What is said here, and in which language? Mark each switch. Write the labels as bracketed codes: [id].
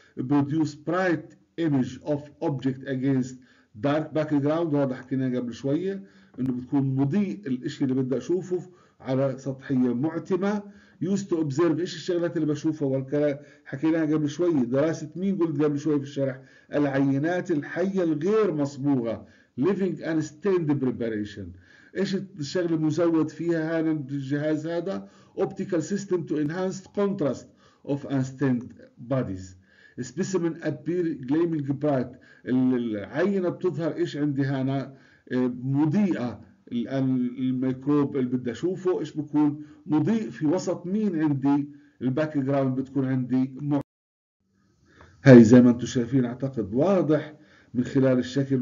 [en] produce bright image of object against dark background، [ar] وهذا حكينا قبل شوية، إنه بتكون مضيء الإشي اللي بدي أشوفه على سطحية معتمة. [en] used to observe [ar] ايش الشغلات اللي بشوفها، والكلام حكيناها قبل شوي. دراسة مين قلت قبل شوي في الشرح؟ العينات الحية الغير مصبوغة [en] living and stained preparation. [ar] ايش الشغلة المزود فيها هذا الجهاز هذا؟ [en] optical system to enhance contrast of unstained bodies. specimen appear gleaming bright. [ar] العينة بتظهر ايش عندي هنا؟ مضيئة. الآن الميكروب اللي بدي أشوفه إيش بكون؟ مضيء في وسط مين عندي؟ الباك جراوند بتكون عندي هاي زي ما أنتم شايفين، أعتقد واضح من خلال الشكل.